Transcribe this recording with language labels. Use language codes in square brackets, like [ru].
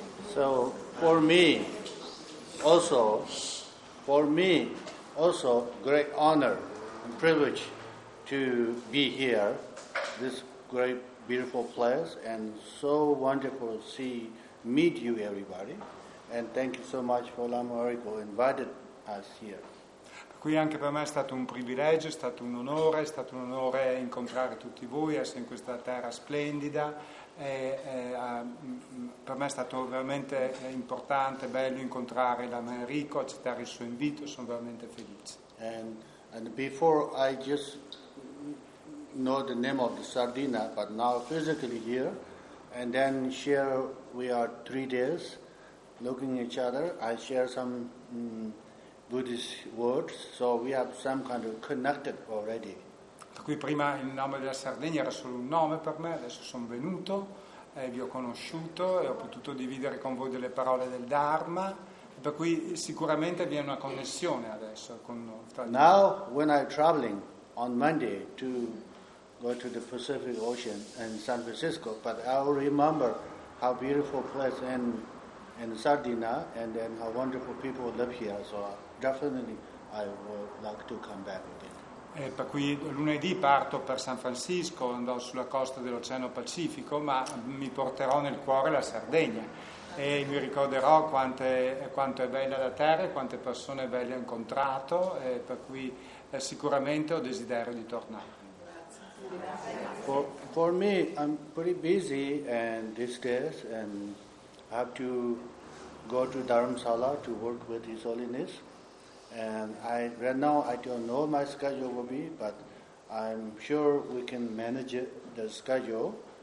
[en] So for me also great honor and privilege to be here, this great beautiful place and so wonderful to see, meet you everybody. And thank you so much for Lama Erico invited us here. [it] Qui anche per me è stato un privilegio, è stato un onore, è stato un onore incontrare tutti voi, essere in questa terra splendida. Per me è stato veramente importante, bello incontrare Lama Erico, accettare il suo invito, sono veramente felice. [en] And before I just know the name of the Sardina, but now physically here, and then share, we are 3 days looking at each other, I share some Buddhist words, so we have some kind of connected already. [it] Qui prima il nome della Sardegna era solo un nome per me, adesso sono venuto e vi ho conosciuto e ho potuto dividere con voi delle parole del Dharma, per cui sicuramente vi è una connessione adesso con tra di... [en] Now when I'm traveling on Monday to go to the Pacific Ocean and San Francisco, but I will remember how beautiful place in Sardinia and then how wonderful people live here, so definitely I would like to come back again. [it] E per cui lunedì parto per San Francisco, andrò sulla costa dell'Oceano Pacifico, ma mi porterò nel cuore la Sardegna e mi ricorderò quanto è bella la terra e quante persone belle ho incontrato, e per cui sicuramente ho desiderio di tornare. [en] For me I'm pretty busy and these days and I have to go to Dharamsala to work with His Holiness. And I right now I don't know my schedule will be, but I'm sure we can manage it, the schedule.